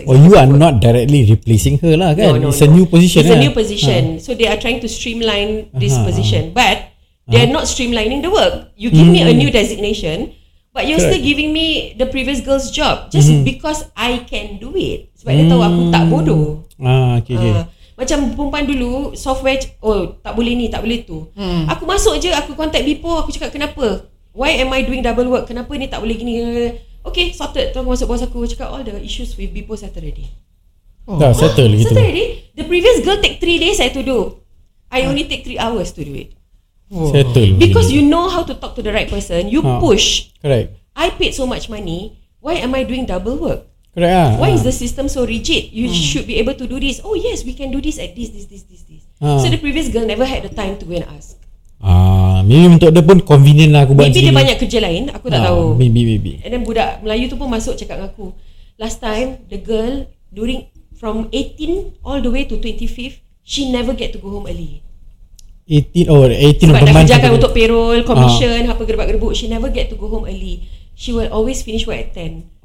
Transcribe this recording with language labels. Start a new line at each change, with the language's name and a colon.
English: Oh, you are not directly replacing her lah, kan? No, it's a new position. It's a new position. So they are trying to streamline this position. But they are not streamlining the work. You give me a new designation, but you're still giving me the previous girl's job just because I can do it.
Malay: Sebab dia tahu aku tak bodoh. Macam perempuan dulu, software, tak boleh ni, tak boleh tu. Aku masuk je, aku contact BPO, aku cakap kenapa?
English: Why am I doing double work?
Malay: Kenapa ni tak boleh gini?
English: Okay, sorted.
Malay: Terus masuk bos aku cakap
English: all the issues with BPO settle already.
Malay: Dah settle gitu.
English: Settle already? The previous girl take 3 days I to do. I only take 3 hours to do it. Settle. Because you know how to talk to the right person, you push. Correct. I paid so much money, why am I doing double work? Correct lah. Why is the system so rigid? You should be able to do this. Oh yes, we can do this at this. So the previous girl never had the time to go and ask.
Malay: Maybe untuk dia pun convenient lah aku buat. Maybe dia banyak kerja lain, aku tak tahu.
English: Maybe. And then
Malay: budak Melayu tu pun masuk cakap dengan aku,
English: last time the girl during from 18 all the way to 25, she never get to go home early. 18
Malay: sebab dah kerjakan untuk payroll, commission, apa gerbak-gerbuk.
English: She never get to go home early. She will always finish work at 10.